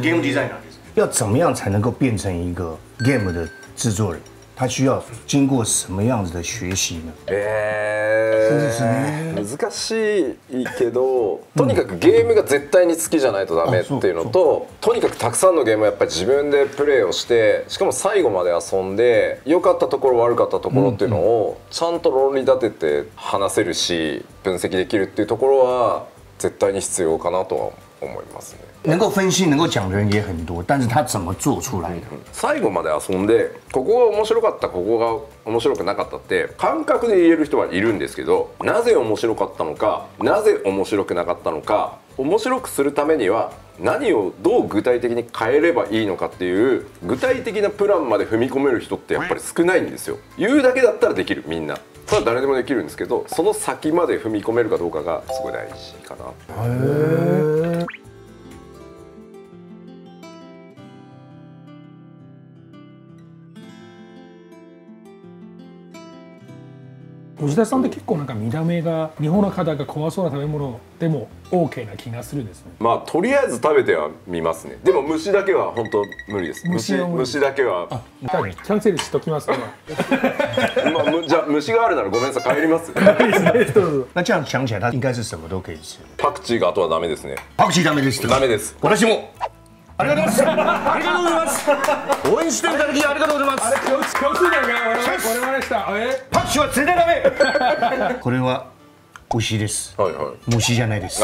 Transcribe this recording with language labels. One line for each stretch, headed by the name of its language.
Japanese: ゲームデザイナーです。
Chinese: 要怎么样才能够变成一个 game 的制作人？他需要经过什么样子的学习呢？
Japanese: 難しいけど、とにかくゲームが絶対に好きじゃないとダメっていうのと、とにかくたくさんのゲームをやっぱり自分でプレイをして、しかも最後まで遊んで良かったところ悪かったところっていうのをちゃんと論理立てて話せるし分析できるっていうところは絶対に必要かなとは思いますね。
Chinese: 能够分析、能够讲的人也很多，但是他怎么做出来的？
Japanese: 最後まで遊んで、ここが面白かった、ここが面白くなかったって感覚で言える人はいるんですけど、なぜ面白かったのか、なぜ面白くなかったのか、面白くするためには何をどう具体的に変えればいいのかっていう具体的なプランまで踏み込める人ってやっぱり少ないんですよ。言うだけだったらできる、みんな。それは誰でもできるんですけど、その先まで踏み込めるかどうかがすごい大事かな。吉田さんって結構なんか見た目が日本の方が怖そうな食べ物でも OK な気がするんですね。まあとりあえず食べてはみますね。でも虫だけは本当無理です。虫だけは、あ、多分キャンセルしときますね。まあ、じゃあ虫があるならごめんなさい、帰ります。
Chinese: 那这样想起来他应该是什么都可以吃。
Japanese: パクチーがあとはダメですね。パクチーダメです。ダメです。私もありがとうございます。ありがとうございます。応援していただきありがとうございます。共通点が我々でした。パクチーは絶対ダメ。これは牛です。はいはい。虫じゃないです。